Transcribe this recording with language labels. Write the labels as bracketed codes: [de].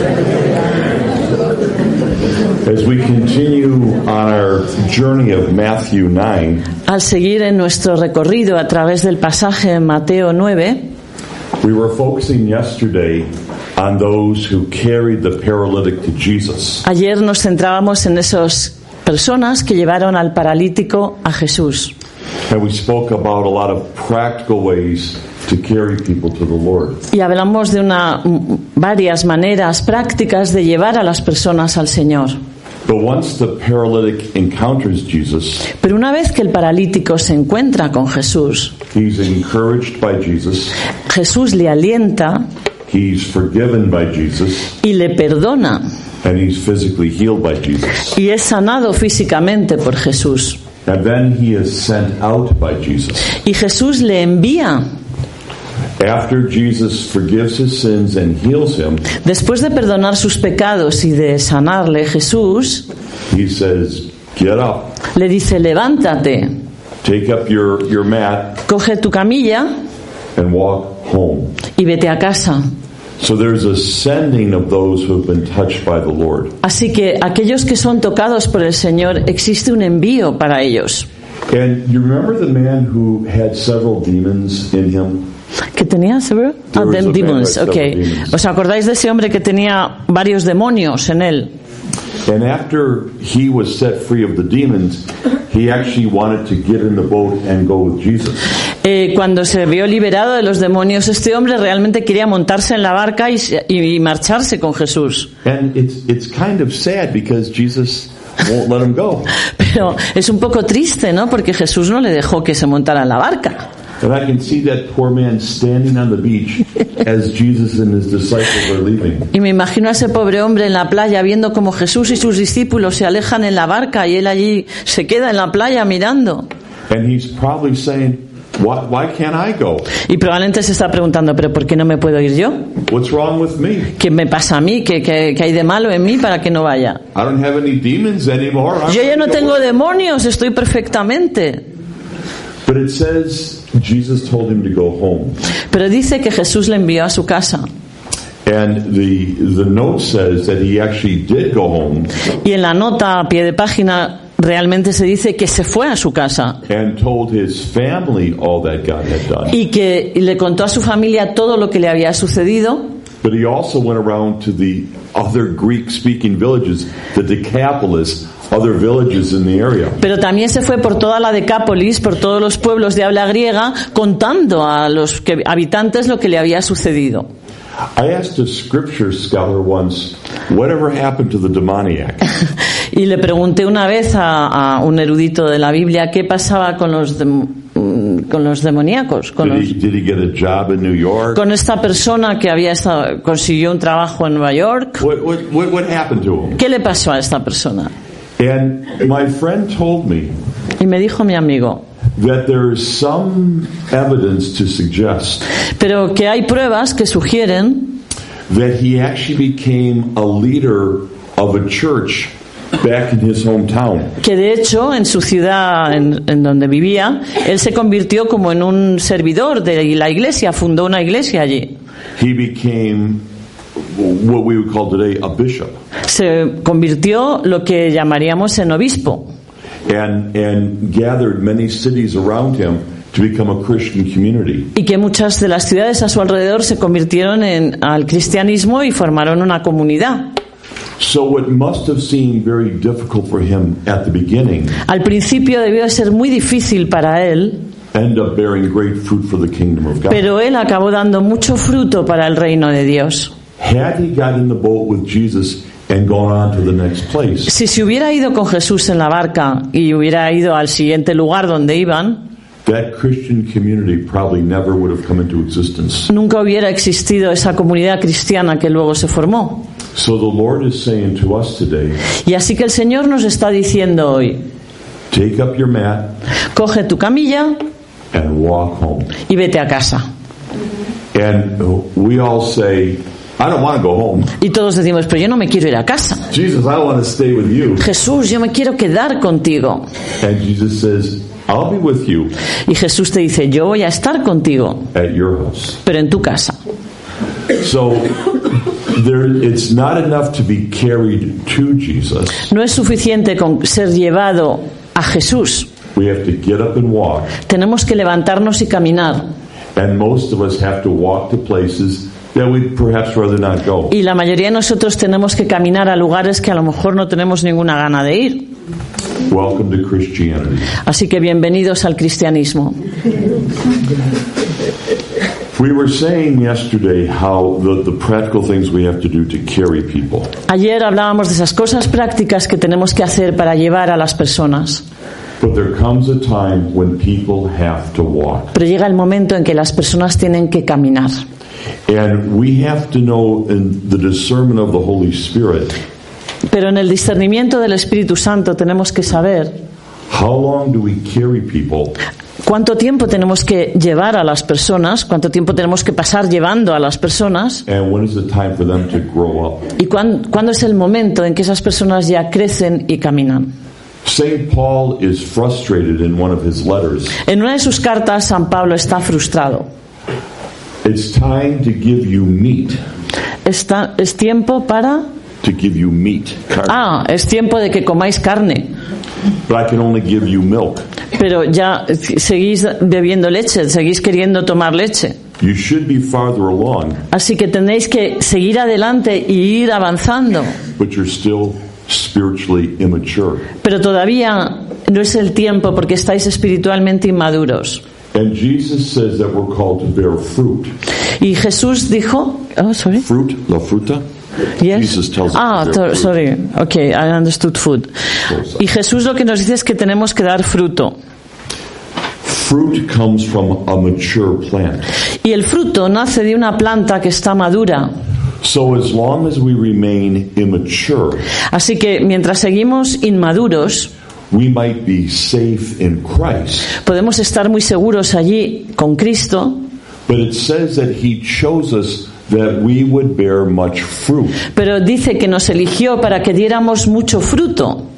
[en] As we continue on our journey of Matthew 9, [es] al seguir en nuestro recorrido a través del pasaje Mateo 9, [en] we were focusing yesterday on those who carried the paralytic to Jesus. [es] Ayer nos centrábamos en esas personas que llevaron al paralítico a Jesús. [en] And we spoke about a lot of practical ways to carry people to the Lord. [es] Y hablamos de varias maneras prácticas de llevar a las personas al Señor. [en] But once the paralytic encounters Jesus, [es] pero una vez que el paralítico se encuentra con Jesús, [en] he's encouraged by Jesus, [es] Jesús le alienta, [en] he's forgiven by Jesus, [es] y le perdona, [en] and he's physically healed by Jesus, [es] y es sanado físicamente por Jesús. [en] And then he is sent out by Jesus. [es] Y Jesús le envía. [en] After Jesus forgives his sins and heals him, [es] después de perdonar sus pecados y de sanarle, Jesús, [en] he says, "Get up." [es] Le dice, "Levántate." [en] Take up your mat. [es] Coge tu camilla. [en] And walk home. [es] Y vete a casa. [en] So there's a sending of those who have been touched by the Lord. [es] Así que aquellos que son tocados por el Señor, existe un envío para ellos. [en] And you remember the man who had several demons in him? [es] ¿Que tenía [en] several? Demons. Okay. [es] ¿Os acordáis de ese hombre que tenía varios demonios en él? [en] And after he was set free of the demons, he actually wanted to get in the boat and go with Jesus. [es] Cuando se vio liberado de los demonios, este hombre realmente quería montarse en la barca y marcharse con Jesús. [en] And it's kind of sad because Jesus won't let him go. [es] Pero es un poco triste, ¿no? Porque Jesús no le dejó que se montara en la barca. [en] And I can see that poor man standing on the beach as Jesus and his disciples are leaving. [es] Y me imagino a ese pobre hombre en la playa viendo cómo Jesús y sus discípulos se alejan en la barca y él allí se queda en la playa mirando. [en] And he's probably saying, why can't I go? [es] Y probablemente se está preguntando, ¿pero por qué no me puedo ir yo? [en] What's wrong with me? [es] ¿Qué me pasa a mí? ¿Qué hay de malo en mí para que no vaya? [en] I don't have any demons anymore. [es] Yo ya no tengo demonios, estoy perfectamente. [en] But it says Jesus told him to go home. [es] Pero dice que Jesús le envió a su casa. [en] And the note says that he actually did go home. [es] Y en la nota a pie de página realmente se dice que se fue a su casa. [en] And told his family all that God had done. [es] Y que le contó a su familia todo lo que le había sucedido. [en] But he also went around to the other Greek speaking villages, the Decapolis. Other villages in the area. [es] Pero también se fue por toda la Decápolis, por todos los pueblos de habla griega, contando a los habitantes lo que le había sucedido. [en] I asked a scripture scholar once, "Whatever happened to the demoniac?" [es] Y le pregunté una vez a un erudito de la Biblia qué pasaba con los demoníacos. [en] Did he get a job in New York? [es] Con esta persona que consiguió un trabajo en Nueva York. [en] What happened to him? [es] ¿Qué le pasó a esta persona? [en] And my friend told me, [es] y me dijo mi amigo, [en] that there is some evidence to suggest, [es] pero que hay pruebas que sugieren, [en] that he actually became a leader of a church back in his hometown. [es] Que de hecho en su ciudad en donde vivía, él se convirtió como en un servidor de la iglesia, fundó una iglesia allí. [en] He became what we would call today a bishop. [es] Se convirtió lo que llamaríamos en obispo. [en] And gathered many cities around him to become a Christian community. [es] Y que muchas de las ciudades a su alrededor se convirtieron al cristianismo y formaron una comunidad. [en] So it must have seemed very difficult for him at the beginning. [es] Al principio debió ser muy difícil para él. [en] End up bearing great fruit for the kingdom of God. [es] Pero él acabó dando mucho fruto para el reino de Dios. [en] Had he gotten in the boat with Jesus and gone on to the next place, [es] si se hubiera ido con Jesús en la barca y hubiera ido al siguiente lugar donde iban, [en] that Christian community probably never would have come into existence. [es] Nunca hubiera existido esa comunidad cristiana que luego se formó. [en] So the Lord is saying to us today, [es] y así que el Señor nos está diciendo hoy, [en] take up your mat, [es] coge tu camilla, [en] and walk home, [es] y vete a casa. [en] And we all say, I don't want to go home. [es] Y todos decimos, pero yo no me quiero ir a casa. [en] Jesus, I want to stay with you. [es] Jesús, yo me quiero quedar contigo. [en] And Jesus says, I'll be with you. [es] Y Jesús te dice, yo voy a estar contigo. [en] At your house. [es] Pero en tu casa. [en] So there, it's not enough to be carried to Jesus. [es] No es suficiente con ser llevado a Jesús. [en] We have to get up and walk. [es] Tenemos que levantarnos y caminar. [en] And most of us have to walk to places that we'd perhaps rather not go. [es] Y la mayoría de nosotros tenemos que caminar a lugares que a lo mejor no tenemos ninguna gana de ir. [en] Welcome to Christianity. [es] Así que bienvenidos al cristianismo. [en] We were saying yesterday how the practical things we have to do to carry people. [es] Ayer hablábamos de esas cosas prácticas que tenemos que hacer para llevar a las personas. [en] But there comes a time when people have to walk. [es] Pero llega el momento en que las personas tienen que caminar. [en] And we have to know in the discernment of the Holy Spirit. [es] Pero en el discernimiento del Espíritu Santo tenemos que saber. [en] How long do we carry people? [es] ¿Cuánto tiempo tenemos que llevar a las personas? ¿Cuánto tiempo tenemos que pasar llevando a las personas? [en] And when is the time for them to grow up? [es] ¿Y cuándo es el momento en que esas personas ya crecen y caminan? [en] Saint Paul is frustrated in one of his letters. [es] En una de sus cartas, San Pablo está frustrado. [en] It's time to give you meat. [es] Es tiempo para. [en] To give you meat, carne. [es] Ah, es tiempo de que comáis carne. [en] But I can only give you milk. [es] Pero ya seguís bebiendo leche, seguís queriendo tomar leche. [en] You should be farther along. [es] Así que tenéis que seguir adelante y ir avanzando. [en] But you're still spiritually immature. [es] Pero todavía no es el tiempo porque estáis espiritualmente inmaduros. [en] And Jesus says that we're called to bear fruit. [es] Y Jesús dijo, [en] oh, sorry. [es] Fruit, la fruta. [en] Yes. Jesus tells ah, us to bear fruit. Sorry. Okay, I understood food. [es] Y Jesús lo que nos dice es que tenemos que dar fruto. [en] Fruit comes from a mature plant. [es] Y el fruto nace de una planta que está madura. [en] So as long as we remain immature. [es] Así que mientras seguimos inmaduros. [en] We might be safe in Christ. [es] Podemos estar muy seguros allí con Cristo. [en] But it says that he chose us that we would bear much fruit. [es] Pero dice que nos eligió para que diéramos mucho fruto.